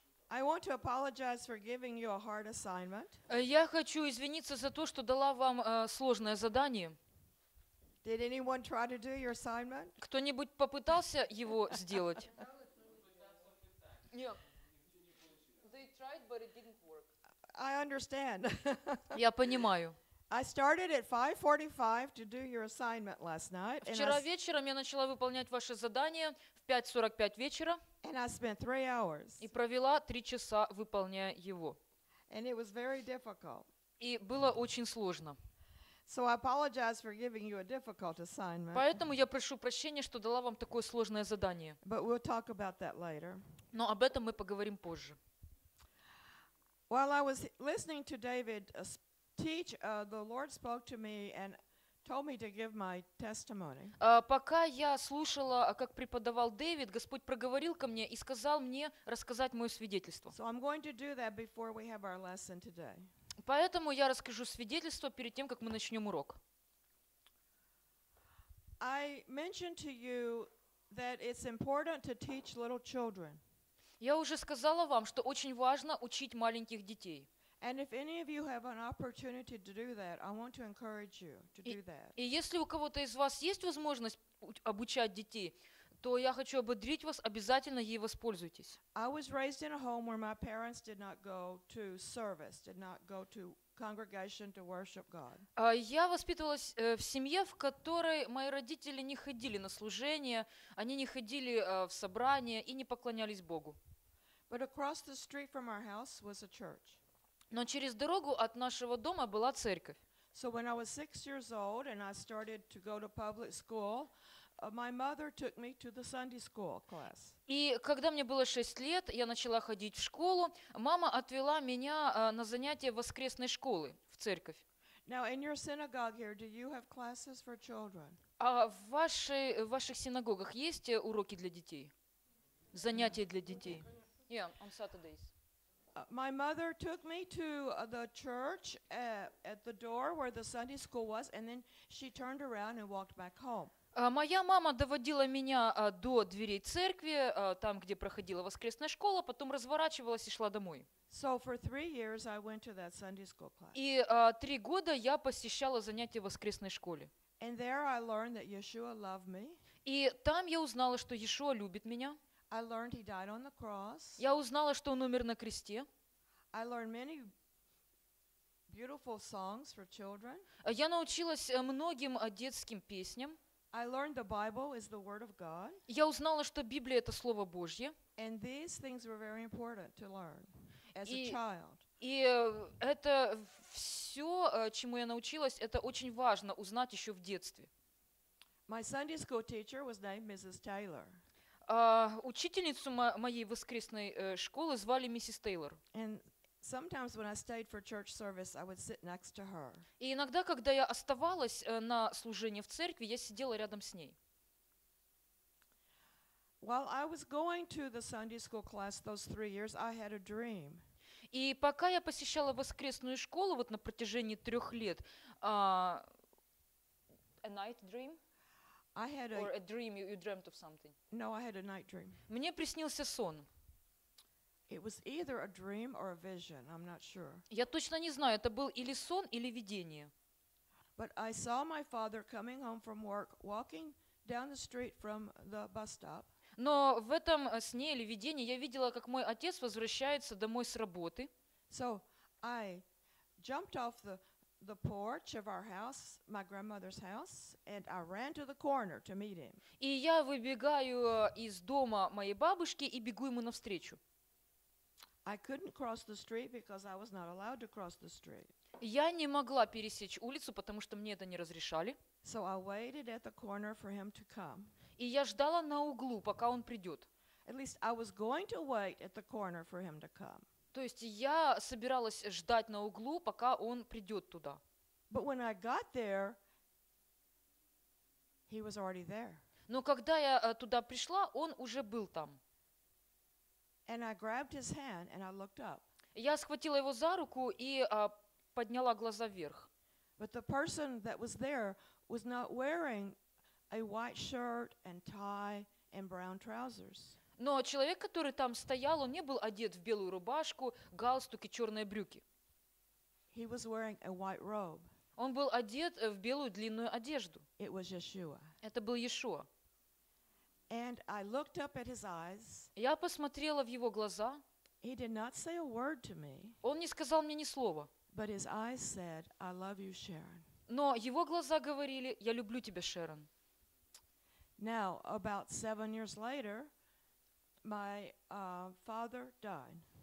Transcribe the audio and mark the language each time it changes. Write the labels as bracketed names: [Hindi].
[English] I want to apologize for giving you a hard assignment. [Russian] Я хочу извиниться за то, что дала вам сложное задание. [English] Did anyone try to do your assignment? [Russian] Кто-нибудь попытался его сделать? Нет. [English] They tried, but it didn't work. I understand. [Russian] Я понимаю. [English] I started at 5:45 to do your assignment last night. [Russian] Вчера вечером я начала выполнять ваше задание в 5:45 вечера. [English] And I spent 3 hours. [Russian] И провела 3 часа, выполняя его. [English] And it was very difficult. [Russian] И было очень сложно. [English] So I apologize for giving you a difficult assignment. [Russian] Поэтому я прошу прощения, что дала вам такое сложное задание. [English] But we'll talk about that later. [Russian] Но об этом мы поговорим позже. [English] While I was listening to David teach, the Lord spoke to me and told me to give my testimony. [Russian] Пока я слушала, как преподавал Дэвид, Господь проговорил ко мне и сказал мне рассказать мое свидетельство. [English] So I'm going to do that before we have our lesson today. [Russian] Поэтому я расскажу свидетельство перед тем, как мы начнем урок. [English] I mentioned to you that it's important to teach little children. [Russian] Я уже сказала вам, что очень важно учить маленьких детей. [English] And if any of you have an opportunity to do that, I want to encourage you to do that. [Russian] И если у кого-то из вас есть возможность обучать детей, то я хочу ободрить вас, обязательно ей воспользуйтесь. [English] I was raised in a home where my parents did not go to service, did not go to congregation to worship God. [Russian] Я воспитывалась в семье, в которой мои родители не ходили на служение, они не ходили в собрания и не поклонялись Богу. [English] But across the street from our house was a church. [Russian] Но через дорогу от нашего дома была церковь. [English] So when I was 6 years old and I started to go to public school, my mother took me to the Sunday school class. [Russian] И когда мне было 6 лет, я начала ходить в школу, мама отвела меня на занятия воскресной школы в церковь. [English] Now in your synagogue here, do you have classes for children? [Russian] А в ваших синагогах есть уроки для детей? Занятия для детей? [English] Yeah, on Saturdays. My mother took me to the church at the door where the Sunday school was, and then she turned around and walked back home. [Russian] Моя мама доводила меня до дверей церкви, там, где проходила воскресная школа, потом разворачивалась и шла домой. [English] So for 3 years I went to that Sunday school class. [Russian] И 3 года я посещала занятия в воскресной школе. [English] And there I learned that Yeshua loved me. [Russian] И там я узнала, что Иешуа любит меня. [English] I learned he died on the cross. [Russian] Я узнала, что он умер на кресте. [English] I learned many beautiful songs for children. [Russian] Я научилась многим детским песням. [English] I learned the Bible is the word of God. [Russian] Я узнала, что Библия — это слово Божье. [English] And these things were very important to learn as a child. [Russian] И это все, чему я научилась, это очень важно узнать еще в детстве. [English] My Sunday school teacher was named Mrs. Taylor. [Russian] Учительницу моей воскресной школы звали миссис Тейлор. [English] And sometimes when I stayed for church service, I would sit next to her. [Russian] И иногда, когда я оставалась на служении в церкви, я сидела рядом с ней. [English] While I was going to the Sunday school class those 3 years, I had a dream. [Russian] И пока я посещала воскресную школу вот на протяжении 3 лет, [English] a night dream. I had a dream. You dreamt of something. No, I had a night dream. [Russian] Мне приснился сон. [English] It was either a dream or a vision. I'm not sure. [Russian] Я точно не знаю, это был или сон, или видение. [English] But I saw my father coming home from work, walking down the street from the bus stop. [Russian] Но в этом сне или видении я видела, как мой отец возвращается домой с работы. [English] So I jumped off the porch of our house, my grandmother's house, and I ran to the corner to meet him. [Russian] И я выбегаю из дома моей бабушки и бегу ему навстречу. [English] I couldn't cross the street because I was not allowed to cross the street. [Russian] Я не могла пересечь улицу, потому что мне это не разрешали. [English] So I waited at the corner for him to come. [Russian] И я ждала на углу, пока он придет. [English] At least I was going to wait at the corner for him to come. [Russian] То есть я собиралась ждать на углу, пока он придет туда. [English] But when I got there, he was already there. [Russian] Но когда я туда пришла, он уже был там. [English] And I grabbed his hand and I looked up. [Russian] Я схватила его за руку и подняла глаза вверх. [English] But the person that was there was not wearing a white shirt and tie in brown trousers. [Russian] Но человек, который там стоял, он не был одет в белую рубашку, галстук и черные брюки. [English] He was wearing a white robe. [Russian] Он был одет в белую длинную одежду. [English] It was Yeshua. [Russian] Это был Иешуа. [English] And I looked up at his eyes. [Russian] Я посмотрела в его глаза. [English] He did not say a word to me. [Russian] Он не сказал мне ни слова. [English] But his eyes said, "I love you, Sharon." [Russian] Но его глаза говорили: "Я люблю тебя, Шэрон." [English] Now, about 7 years later, my father died.